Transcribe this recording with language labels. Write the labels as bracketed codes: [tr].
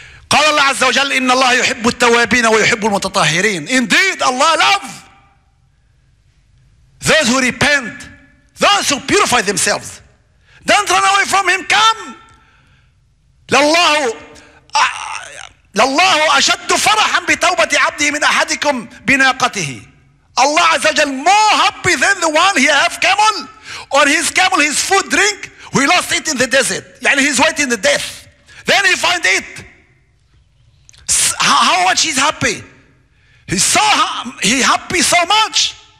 [ar] قال الله عز وجل إن الله يحب التوابين ويحب المتطهرين. [en] Indeed, Allah love those who repent, those who purify themselves. Don't run away from him. Come. [ar] لله لله أشد فرحا بتوبة عبده من أحدكم بناقته. [en] Allah عز وجل more happy than the one he have camel or his camel, his food drink, we lost it in the desert. يعني he's waiting the death. Then he find it. How much he's happy. He happy so much.